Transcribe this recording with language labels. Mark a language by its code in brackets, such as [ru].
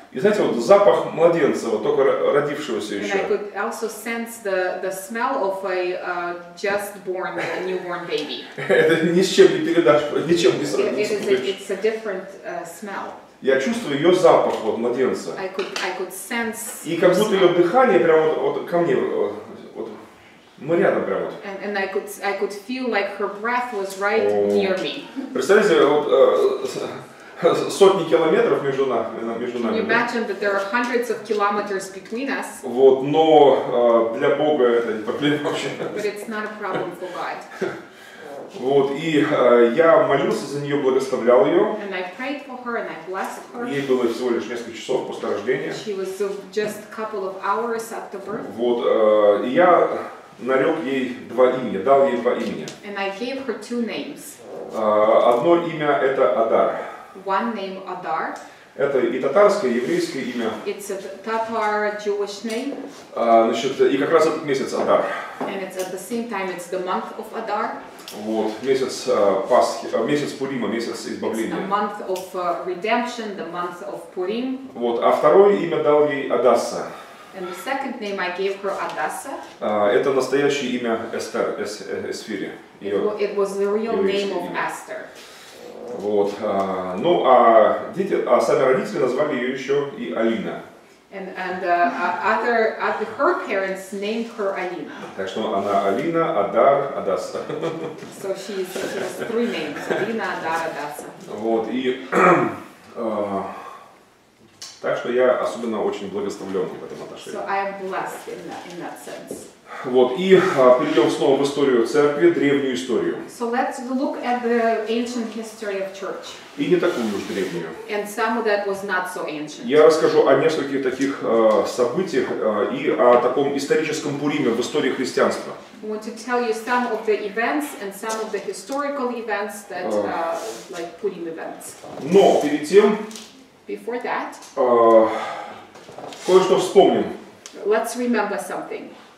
[ru] И знаете, вот запах младенца, вот только родившегося [en] and [ru] еще. [en] And I could also sense the smell of a just born, a newborn baby. [ru] Это ни с чем не передашь, ничем не сравнится. [en] It's a different smell. [ru] Я чувствую ее запах, вот младенца. [en] I could sense. [ru] И как будто ее дыхание прямо вот ко мне. Мы рядом прямо вот. [en] And I could feel like her breath was right near me. [ru] Представляете, вот сотни километров между нами. [en] Can you imagine that there are hundreds of kilometers between us? [ru] Вот, но для Бога это не проблема вообще. [en] But it's not a problem for God. [ru] Вот, и я молился за нее, благословлял ее. [en] And I prayed for her and I blessed her. [ru] Ей было всего лишь несколько часов после рождения. [en] She was just a couple of hours after birth. [ru] Вот, и я нарек ей два имени, дал ей два имени. [en] And I gave her two names. [ru] Одно имя это Адар. [en] One name Adar. [ru] Это и татарское, и еврейское имя. [en] It's a Tatar Jewish name. [ru] Значит, и как раз этот месяц Адар. [en] And it's at the same time it's the month of Adar. [ru] Вот месяц Пасхи, месяц Пурима, месяц избавления. [en] It's the month of redemption, the month of Purim. [ru] Вот, а второе имя дал ей Адасса. [en] And the second name I gave her Adassa. [ru] Это настоящее имя Эстер, Эсфири. [en] It was the real name of Esther. [ru] Вот. Ну, дети, сами родители назвали ее еще и Алина. [en] And other her parents named her Alina. [ru] Так что она Алина, Адар, Адасса. [en] So she has three names: Алина, Адар, Адасса. [ru] Вот и так что я особенно очень благословлен в этом отношении. [en] So I am blessed in that sense. [ru] Вот, и перейдем снова в историю церкви, древнюю историю. [en] So let's look at the ancient history of church. [ru] И не такую уж древнюю. [en] And some of that was not so ancient. [ru] Я расскажу о нескольких таких событиях и о таком историческом Пуриме в истории христианства. [en] I want to tell you some of the events and some of the historical events that like Purim events. [ru] Но перед тем [en] before that, [ru] кое-что вспомним. [en] Let's remember something.